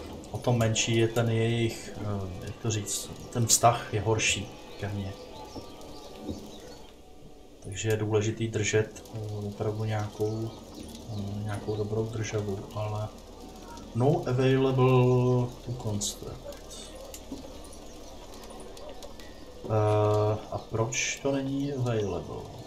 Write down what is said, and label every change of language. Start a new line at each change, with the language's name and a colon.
Czech: O to menší je ten jejich, jak to říct, ten vztah je horší ke mně. Takže je důležitý držet opravdu nějakou dobrou državu, ale...
English: No available to construct.
Czech: A proč to není available?